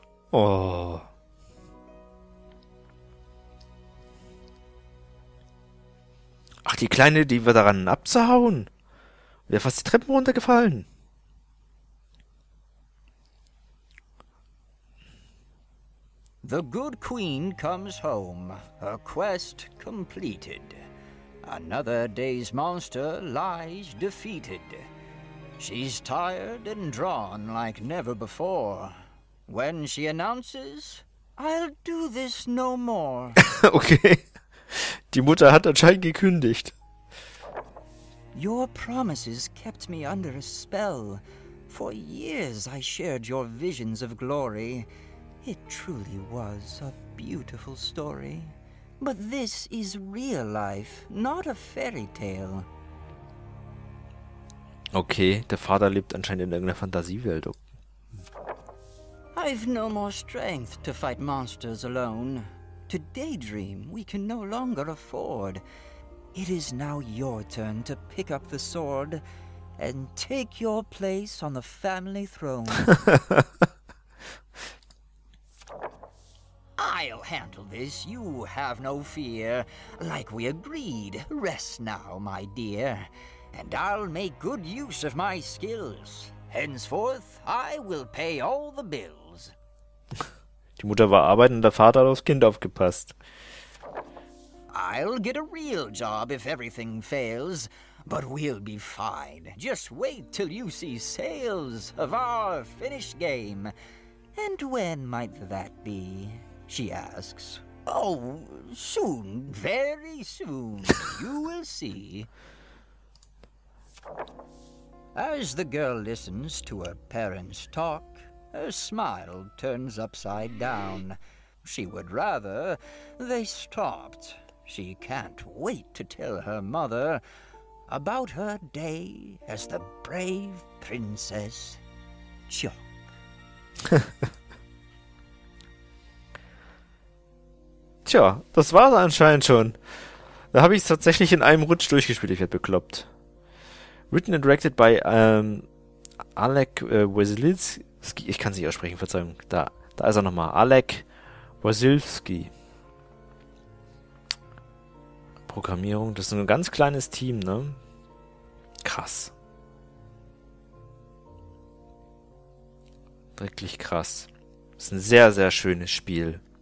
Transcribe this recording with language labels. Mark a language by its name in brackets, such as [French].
[German] Oh. Die Kleine, die war daran abzuhauen, wäre fast die Treppen runtergefallen. [English] The good queen comes home, her quest completed. Another day's monster lies defeated. She's tired and drawn like never before. When she announces, I'll do this no more. Okay. [German] Die Mutter hat anscheinend gekündigt. [English] Your promises kept me under a spell. For years I shared your visions of glory. It truly was a beautiful story. But this is real life, not a fairy tale. [German] Okay, der Vater lebt anscheinend in irgendeiner Fantasiewelt. [English] I've no more strength to fight monsters alone. To daydream we can no longer afford. It is now your turn to pick up the sword and take your place on the family throne. I'll handle this, you have no fear. Like we agreed, rest now, my dear. And I'll make good use of my skills. Henceforth, I will pay all the bills. [German] Die Mutter war arbeiten, der Vater hat aufs Kind aufgepasst. [English] I'll get a real job if everything fails, but we'll be fine. Just wait till you see sales of our finished game. And when might that be? She asks. Oh, soon, very soon, you will see. As the girl listens to her parents talk, her smile turns upside down. She would rather they stopped. She can't wait to tell her mother about her day as the brave Princess Chok. [German] Tja, das war's anscheinend schon. Da habe ich es tatsächlich in einem Rutsch durchgespielt. Ich werde bekloppt. [English] Written and directed by Alec Wasilski. [German] Ich kann es nicht aussprechen, Verzeihung. Da ist er nochmal. Alec Wasilski. Programmierung. Das ist ein ganz kleines Team, ne? Krass. Wirklich krass. Das ist ein sehr, sehr schönes Spiel.